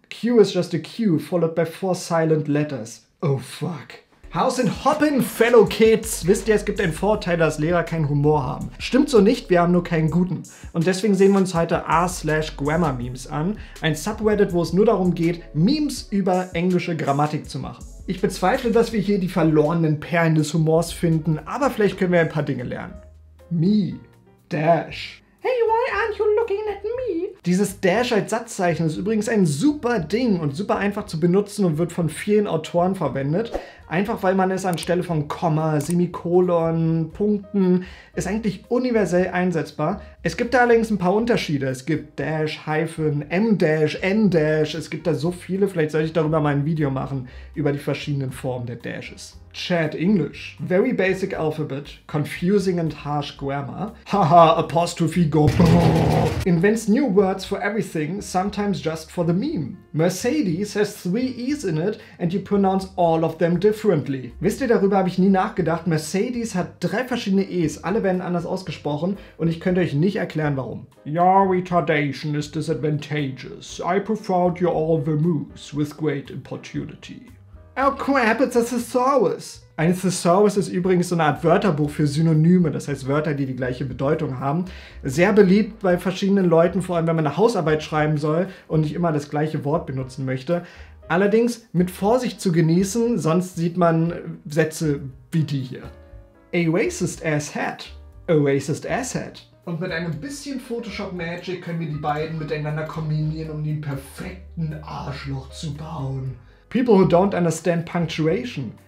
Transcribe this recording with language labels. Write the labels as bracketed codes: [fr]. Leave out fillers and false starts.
[en] Q is just a Q followed by four silent letters. Oh fuck. How's it hoppin', fellow kids? [de] Wisst ihr, es gibt einen Vorteil, dass Lehrer keinen Humor haben. Stimmt so nicht, wir haben nur keinen guten. Und deswegen sehen wir uns heute r/grammar-memes an. Ein Subreddit, wo es nur darum geht, Memes über englische Grammatik zu machen. Ich bezweifle, dass wir hier die verlorenen Perlen des Humors finden, aber vielleicht können wir ein paar Dinge lernen. [en] Me. Dash. Hey, why aren't you looking at me? [de] Dieses Dash als Satzzeichen ist übrigens ein super Ding und super einfach zu benutzen und wird von vielen Autoren verwendet. Einfach weil man es anstelle von Komma, Semikolon, Punkten, ist eigentlich universell einsetzbar. Es gibt da allerdings ein paar Unterschiede. Es gibt Dash, Hyphen, M-Dash, N-Dash. Es gibt da so viele, vielleicht sollte ich darüber mal ein Video machen, über die verschiedenen Formen der Dashes. [en] Chat English. Very basic alphabet. Confusing and harsh grammar. Haha, apostrophe go. Invents new words for everything, sometimes just for the meme. Mercedes has three E's in it and you pronounce all of them differently. [de] Wisst ihr, darüber habe ich nie nachgedacht. Mercedes hat drei verschiedene E's, alle werden anders ausgesprochen und ich könnte euch nicht erklären, warum. [en] Your retardation is disadvantageous. I preferred you all vermouth with great importunity. Oh crap, it's a thesaurus. [de] Ein Thesaurus ist übrigens so eine Art Wörterbuch für Synonyme, das heißt Wörter, die gleiche Bedeutung haben. Sehr beliebt bei verschiedenen Leuten, vor allem wenn man eine Hausarbeit schreiben soll und nicht immer das gleiche Wort benutzen möchte. Allerdings mit Vorsicht zu genießen, sonst sieht man Sätze wie die hier. [en] A racist asshat. A racist asshat. [de] Und mit einem bisschen Photoshop Magic können wir die beiden miteinander kombinieren, um den perfekten Arschloch zu bauen. [en] People who don't understand punctuation.